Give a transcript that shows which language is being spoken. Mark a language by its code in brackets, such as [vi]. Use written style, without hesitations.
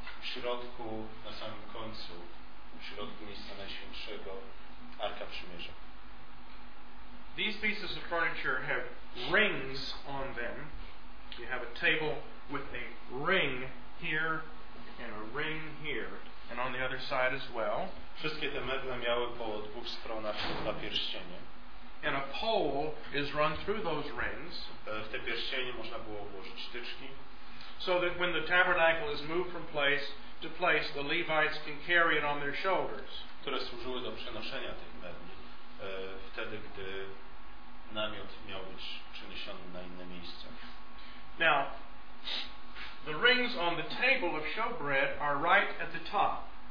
[pl] W środku, na samym końcu, w środku miejsca najświętszego, Arka Przymierza. [en] These pieces of furniture have rings on them. You have a table with a ring here and a ring here, and on the other side as well. [pl] Wszystkie te meble miały po dwóch stronach dwa pierścienie. [en] And a pole is run through those rings. [pl] W te pierścienie można było ułożyć tyczki. [en] So that when the tabernacle is moved from place to place, the Levites can carry it on their shoulders. [pl] Które służyły do przenoszenia tych mebli, wtedy gdy namiot miał być przeniesiony na inne miejsce. [en] Now, the rings on the table of showbread are right at the top.